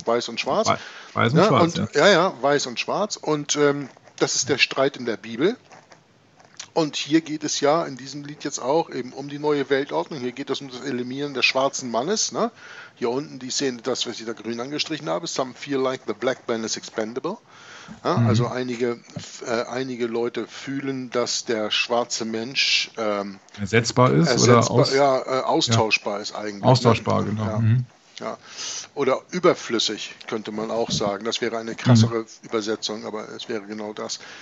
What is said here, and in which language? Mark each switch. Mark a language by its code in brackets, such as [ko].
[de] Weiß und Schwarz. Weiß und Schwarz. Und das ist der Streit in der Bibel. Und hier geht es ja in diesem Lied jetzt auch eben um die neue Weltordnung. Hier geht es um das Eliminieren des schwarzen Mannes. Ne? Hier unten die Szene, das, was ich da grün angestrichen habe. [en] Some feel like the black man is expendable. [de] Ja, also einige Leute fühlen, dass der schwarze Mensch austauschbar ist eigentlich. Austauschbar, ne? Genau. Ja. Ja. Oder überflüssig, könnte man auch sagen. Das wäre eine krassere Übersetzung, aber es wäre genau das.